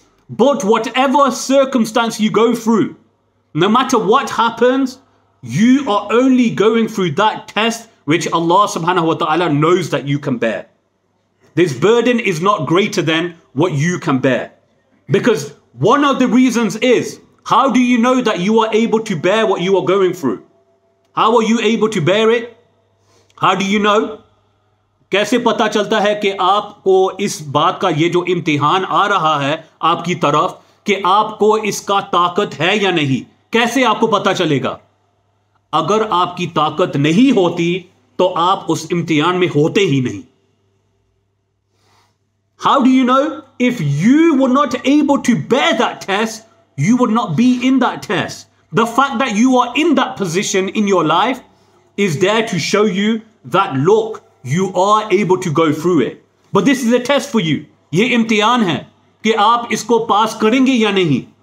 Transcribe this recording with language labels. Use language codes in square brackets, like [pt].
[en] But whatever circumstance you go through, no matter what happens, you are only going through that test which Allah subhanahu wa ta'ala knows that you can bear. This burden is not greater than what you can bear. Because one of the reasons is, how do you know that you are able to bear what you are going through? How are you able to bear it? How do you know? [hi] कैसे पता चलता है कि आपको इस बात का ये जो इम्तिहान आ रहा है आपकी तरफ कि आपको इसका ताकत है या नहीं? कैसे आपको पता चलेगा? अगर आपकी ताकत नहीं होती तो आप उस इम्तिहान में होते ही नहीं. [en] How do you know? If you were not able to bear that test, you would not be in that test. The fact that you are in that position in your life is there to show you that, look, you are able to go through it. But this is a test for you. [hi] Ye imtihan hai ki aap isko pass karenge ya nahi.